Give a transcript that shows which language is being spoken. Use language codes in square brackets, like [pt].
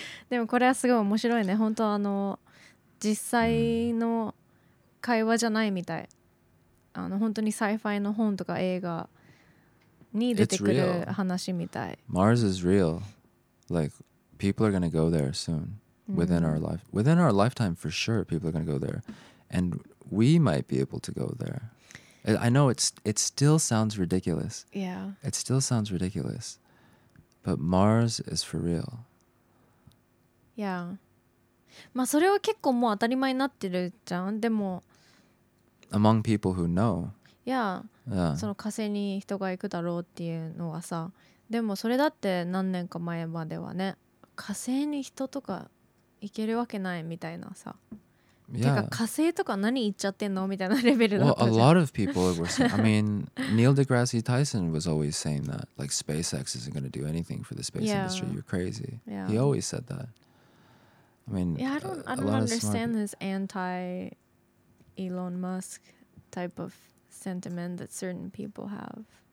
[ja] でもこれはすごい面白いね。本当あの、実際の会話じゃないみたい。あの、本当にサイファイの本とか映画に出てくる話みたい。 [en] Mars is real. Like, people are going to go there soon, within our life. Within our lifetime, for sure, people are going to go there. And we might be able to go there. I know it still sounds ridiculous. Yeah. It still sounds ridiculous. But Mars is for real. Yeah. [ja] まあ、それは結構もう当たり前になってるじゃん。でも、 [en] Among people who know. Yeah. [ja] その火星に人が行くだろうっていうのはさ、でもそれだって何年か前まではね、火星に人とか行けるわけないみたいなさ、てか火星とか何行っちゃってんのみたいなレベルだったじゃん。 [en] Well, a lot of people were saying, I mean, Neil deGrasse Tyson was always saying that, like, SpaceX isn't going to do anything for the space industry, you're crazy. He always said that. I mean, I don't understand this anti-Elon Musk type of sentiment that certain people have.